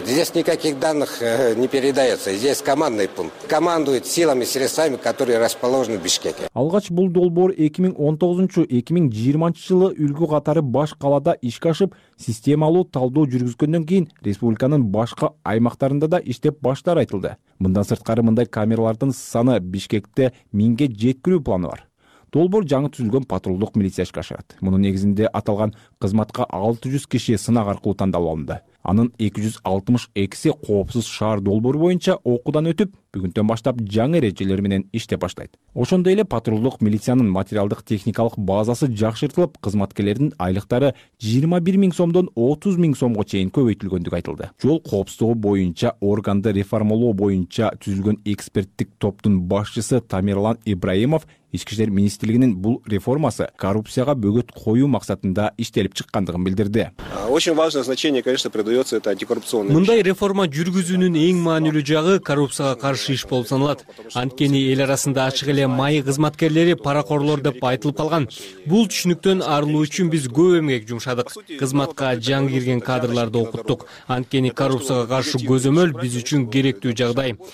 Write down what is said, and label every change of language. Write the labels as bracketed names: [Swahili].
[Russian] Здесь никаких данных не передается. Здесь командный пункт. Командует силами, средствами, которые расположены в Бишкеке. [Kyrgyz] Алгач бул долбоор 2019-2020 жылы үлгү катары баш калада ишке ашып, системалуу талдоо жүргүзгөндөн кийин республиканын башка аймактарында да иштеп баштары айтылды. Мындан сырткары мындай камералардын саны Бишкекте 1000ге жеткирүү планы бар. Долбоор жаңы түзүлгөн патрулдук милиция ишке ашырат. Мунун негизинде аталган кызматка 600 киши сынак аркылуу тандалып алынды. Анын 262 коопсуз шаар долбоору боюнча окуудан өтүп, бүгүнтөн баштап жаңы эрежелер менен иштеп баштайт. Ошондой эле патрулдук милициянын материалдык техникалык базасы жакшыртылып, кызматкерлердин айлыктары 21,000 сомдон 30,000 сомго чейин көбөйтүлгөндүгү айтылды. Жол коопсуздугу боюнча органды реформалоо боюнча түзүлгөн эксперттик топтун башчысы Тамерлан Ибраимов Ички иштер министрлигинин бул реформасы коррупцияга бөгөт коюу максатында иштелип чыккандыгын билдирди. [Russian] Очень важное значение, конечно, придается это антикоррупционной. [Kyrgyz] Мындай реформа жүргүзүүнүн эң маанилүү жагы коррупцияга каршы иш болуп саналат. Анткени эл арасында ачык эле майы кызматкерлери паракорлор деп айтылып калган. Бул түшүнүктөн арылуу үчүн биз көп эмгек жумшадык. Кызматка жаңы кирген кадрларды окуттук. Анткени коррупцияга каршы көзөмөл биз үчүн керектүү жагдай.